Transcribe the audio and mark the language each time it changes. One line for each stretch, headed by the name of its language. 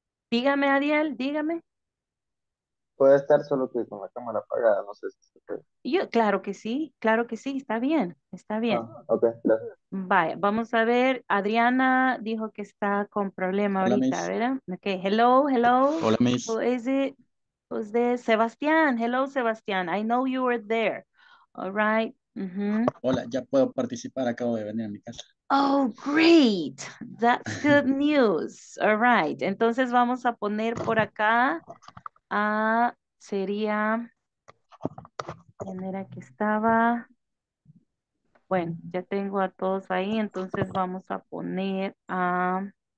Spanish: Dígame, Ariel, dígame. Puede estar solo que con la cámara apagada, no sé si se puede. Yo, claro que sí, está bien, está bien. Ah, ok, gracias. Vaya, vamos a ver, Adriana dijo que está con problema Hola, ahorita,
English: Miss. ¿verdad? Ok, hello, hello,
Spanish: Hola, Miss.
English: who is it? Who's this? Sebastián, hello, Sebastián, I know you were there. All right.
Spanish: Hola, ya puedo participar, acabo de venir a mi casa.
English: Oh, great, that's good news.
Spanish: All right, entonces vamos a poner por acá, sería... ¿Quién era que estaba? Bueno, ya tengo a todos ahí, entonces vamos a poner a...